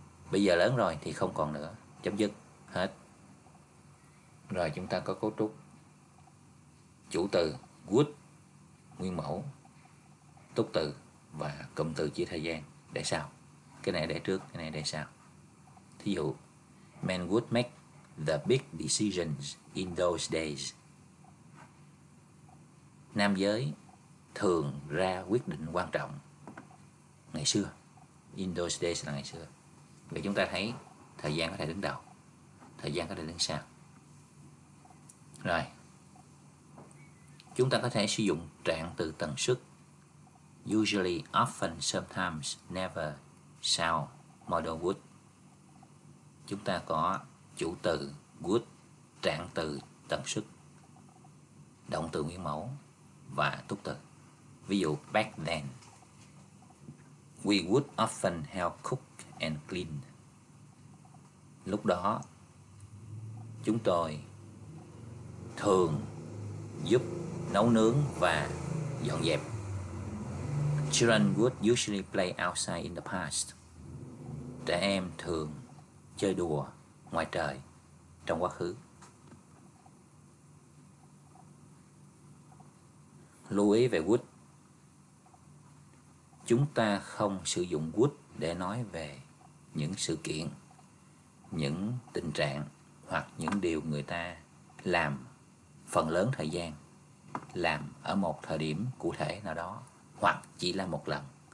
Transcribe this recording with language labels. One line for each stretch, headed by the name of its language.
Vietnamese: Bây giờ lớn rồi thì không còn nữa, chấm dứt, hết. Rồi chúng ta có cấu trúc chủ từ would, nguyên mẫu, túc từ và cụm từ chỉ thời gian. Để sau, cái này để trước, cái này để sau. Thí dụ,
English: men would make the big decisions in those days.
Vietnamese: Nam giới thường ra quyết định quan trọng ngày xưa.
English: In those days
Vietnamese: là ngày xưa. Vậy chúng ta thấy thời gian có thể đứng đầu, thời gian có thể đứng sau. Rồi, chúng ta có thể sử dụng trạng từ tần suất.
English: Usually, often, sometimes, never, sao, model would.
Vietnamese: Chúng ta có chủ từ would, trạng từ tần suất, động từ nguyên mẫu và túc từ. Ví dụ,
English: back then, we would often help cook and clean.
Vietnamese: Lúc đó, chúng tôi thường giúp nấu nướng và dọn dẹp.
English: Children would usually play outside in the past.
Vietnamese: Trẻ em thường chơi đùa ngoài trời trong quá khứ. Lưu ý về would. Chúng ta không sử dụng would để nói về những sự kiện, những tình trạng hoặc những điều người ta làm phần lớn thời gian, làm ở một thời điểm cụ thể nào đó hoặc chỉ là một lần.